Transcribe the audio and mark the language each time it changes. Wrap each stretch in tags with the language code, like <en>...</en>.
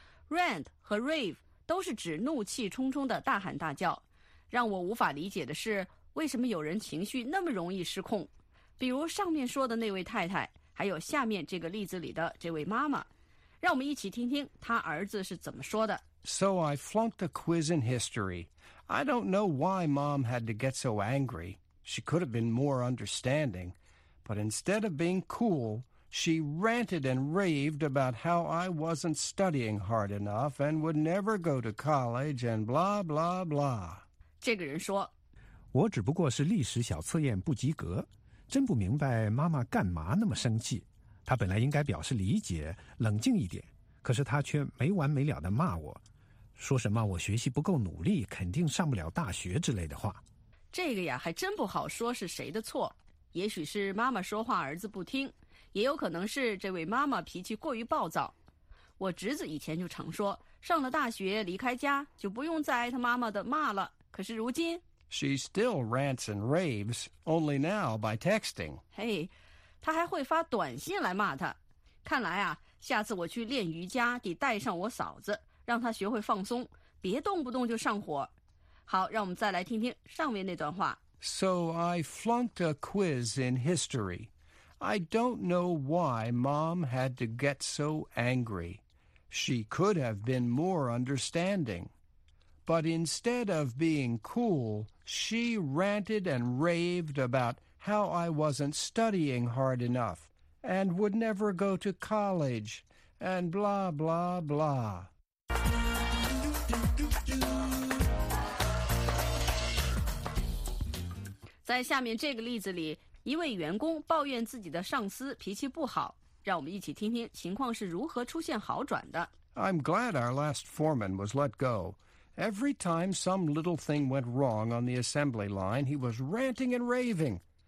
<zh>Rant 和 rave 都是指怒气冲冲的大喊大叫。让我无法理解的是，为什么有人情绪那么容易失控？比如上面说的那位太太，还有下面这个例子里的这位妈妈。让我们一起听听他儿子是怎么说的。</zh> <en>So I flunked a quiz in history. I don't know why Mom had to get so angry. She could have been more understanding. But instead of being cool, she ranted and raved about how I wasn't studying hard enough and would never go to college and blah, blah, blah.</en> <zh>这个人说，我只不过是历史小测验不及格，真不明白妈妈干嘛那么生气。她本来应该表示理解，冷静一点，可是她却没完没了地骂我，说什么我学习不够努力，肯定上不了大学之类的话。这个呀，还真不好说是谁的错，也许是妈妈说话儿子不听，也有可能是这位妈妈脾气过于暴躁。我侄子以前就常说，上了大学离开家，就不用再挨他妈妈的骂了。可是如今</zh> <en>She still rants and raves, only now by texting.</en> <zh>Hey, 他还会发短信来骂他。看来啊，下次我去练瑜伽得带上我嫂子，让她学会放松，别动不动就上火。好，让我们再来听听上面那段话。</zh> <en>So I flunked a quiz in history. I don't know why Mom had to get so angry. She could have been more understanding. But instead of being cool, she ranted and raved about how I wasn't studying hard enough and would never go to college and blah, blah, blah.</en> <zh>在下面这个例子里，一位员工抱怨自己的上司脾气不好，让我们一起听听情况是如何出现好转的。</zh> <en>I'm glad our last foreman was let go. Every time some little thing went wrong on the assembly line, he was ranting and raving.</en>